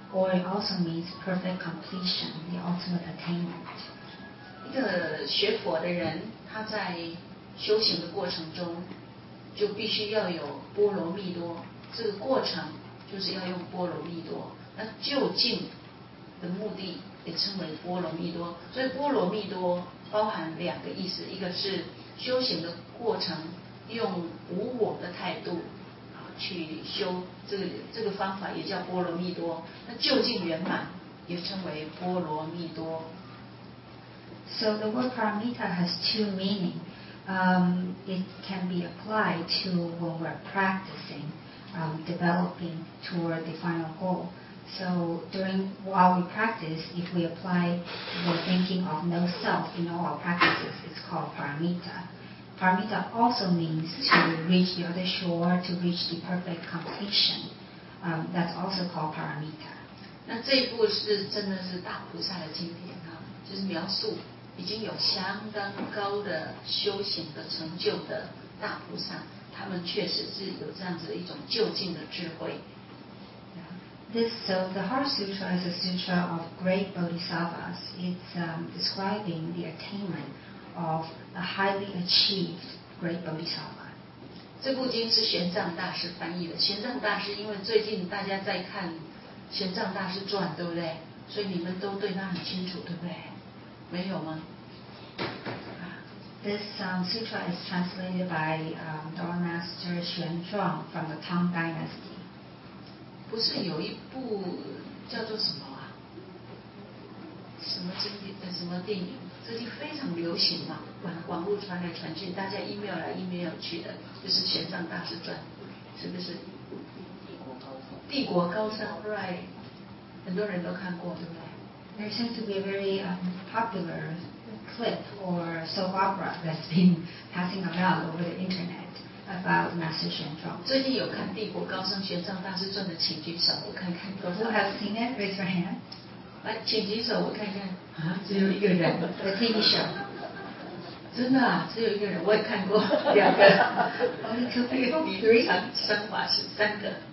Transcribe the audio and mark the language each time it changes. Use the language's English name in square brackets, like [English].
[English] Or it also means perfect completion, the ultimate attainment. [Chinese] 一个学佛的人，他在修行的过程中，就必须要有波罗蜜多。这个过程就是要用波罗蜜多。那究竟的目的也称为波罗蜜多。所以波罗蜜多包含两个意思，一个是修行的过程，用无我的态度。去修这个方法也叫波罗蜜多，那究竟圆满也称为波罗蜜多。 [English] So the word paramita has two meaning. It can be applied to when we're practicing, developing toward the final goal. So while we practice, if we apply the thinking of no self in all our practices, it's called paramita. Paramita also means to reach the other shore, to reach the perfect completion. That's also called paramita. [Chinese] 那这一部是真的是大菩萨的经典啊，就是描述已经有相当高的修行的成就的大菩萨，他们确实是有这样子的一种究竟的智慧。 [English] So the Heart Sutra is a sutra of great bodhisattvas. It's describing the attainment. Of a highly achieved great bodhisattva. [Chinese] 这部经是玄奘大师翻译的。玄奘大师因为最近大家在看《玄奘大师传》，对不对？所以你们都对他很清楚，对不对？没有吗 [English] ？This sutra is translated by Dharma Master 玄奘 from the Tang Dynasty. [Chinese] 不是有一部叫做什么啊？什么经典？什么电影？最近非常流行嘛，网络传来传去，大家 email 来 email 去的，就是《玄奘大师传》，是不是？帝国高僧。帝国高僧 ， [English] right？ [Chinese] 很多人都看过，对不对 [English] ？There seems to be a very popular clip or soap opera that's been passing around over the internet about Master 玄奘。 [Chinese] 最近有看《帝国高僧》《玄奘大师传》的，请举手，我看看。 [English] Who has seen it? Raise your hand. [Chinese] 来，请举手，我看看。啊，只有一个人。 [English] The TV show。 [Chinese] 真的啊，只有一个人，我也看过两个。 [English] Only two people. [Chinese] 你非常升华是三个。